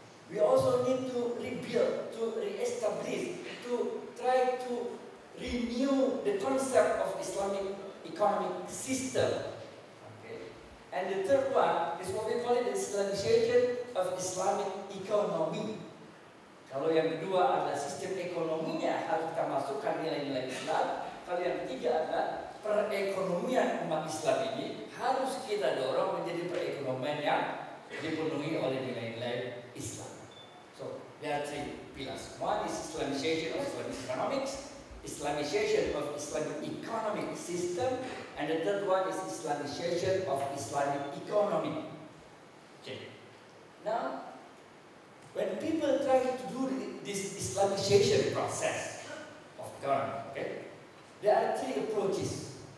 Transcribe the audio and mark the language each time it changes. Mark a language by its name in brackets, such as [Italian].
[English] We also need to rebuild, to re-establish, to try to renew the concept of Islamic economic system. And the third one is what we call it the Islamization of Islamic economy. [Indonesian] Kalau yang kedua adalah sistem ekonominya harus kita masukkan nilai-nilai Islam. Kalau yang ketiga adalah perekonomian umat Islam ini harus kita dorong menjadi perekonomian yang dipenuhi oleh nilai-nilai Islam. [English] So, there are three pillars. One is Islamization of Islamic economics, Islamization of Islamic economic system, and the third one is Islamization of Islamic economy. Okay. Now, when people try to do this Islamization process of economy, okay, there are three approaches.